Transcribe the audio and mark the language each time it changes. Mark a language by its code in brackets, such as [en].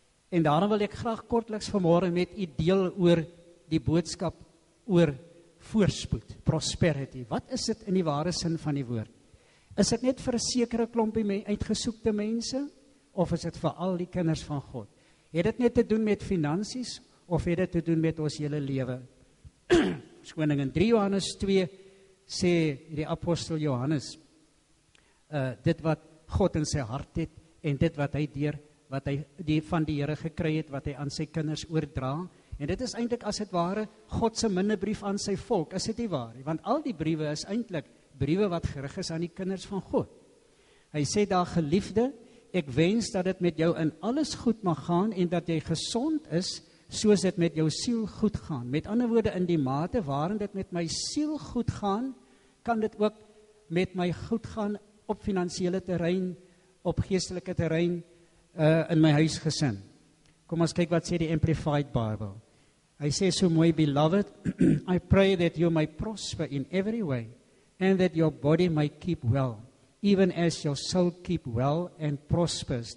[af] En daarom wil ek graag kortliks vanmôre met u deel oor die boodskap oor voorspoed, prosperity. Wat is dit in die ware sin van die woord? Is dit net vir 'n sekere klompie uitgesoekte mense? Of is dit vir al die kinders van God? Het dit net te doen met finansies? Of het dit te doen met ons hele lewe? Skoning in 3 Johannes 2 sê die apostel Johannes dit wat God in sy hart het en dit wat hy deur, wat hy die van die Here gekry het, wat hy aan sy kinders oordra. En dit is eintlik as het ware God se minnebrief aan sy volk, is dit nie waar? Want al die briewe is eintlik briewe wat gerig is aan die kinders van God. Hy sê daar, geliefde, ek wens dat het met jou in alles goed mag gaan en dat jy gezond is soos het met jou siel goed gaan. Met ander woorde, in die mate waarin dit met my siel goed gaan, kan dit ook met my goed gaan op finansiële terrein, op geestelike terrein, in my huisgesin. Kom ons kyk wat sê die Amplified Bible. Hy sê so mooi, [en] beloved, I pray that you may prosper in every way and that your body may keep well, even as your soul keep well and prospers.